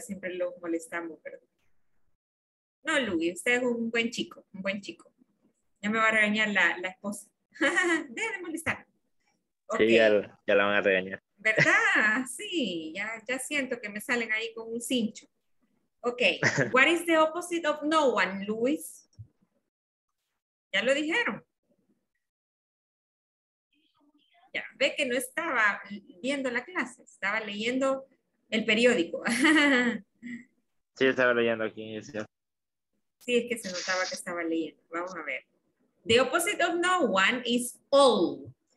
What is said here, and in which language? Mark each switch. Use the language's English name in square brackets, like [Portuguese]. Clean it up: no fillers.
[Spanish] Siempre los molestamos, pero. No, Luis, usted es un buen chico, un buen chico. Ya me va a regañar la esposa. Deja de molestar. Okay. Sí, ya la van a regañar. ¿Verdad? Sí, ya siento que me salen ahí con un cincho. Okay. [English] What is the opposite of no one, Luis? [Spanish] Ya lo dijeron. Ya, ve que no estaba viendo la clase, estaba leyendo el periódico. Sí, estaba leyendo aquí. Inicio. Sí, es que se notaba que estaba leyendo. Vamos a ver. [English] The opposite of no one is all.